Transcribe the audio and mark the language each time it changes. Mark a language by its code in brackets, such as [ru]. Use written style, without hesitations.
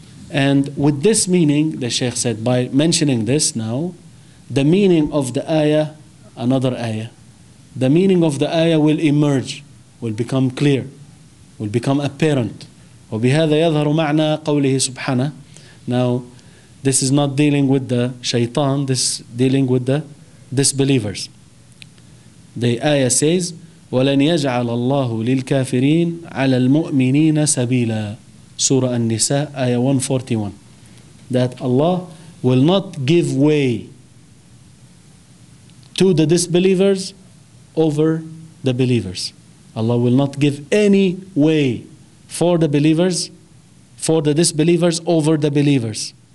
[en] And with this meaning, the Sheikh said, by mentioning this now, the meaning of the ayah, another ayah, the meaning of the ayah will emerge, will become clear, will become apparent. [ar] وَبِهَذَا يَظْهَرُ مَعْنَى قَوْلِهِ سُبْحَانَهُ. [en] Now, this is not dealing with the shaitan, this is dealing with the disbelievers. The ayah says, [ar] وَلَنْ يَجْعَلَ اللَّهُ لِلْكَافِرِينَ عَلَى الْمُؤْمِنِينَ سَبِيلًا. [en] Surah An-Nisa, ayah 141. That Allah will not give way to the disbelievers over the believers. Allah will not give any way for the believers, for the disbelievers over the believers.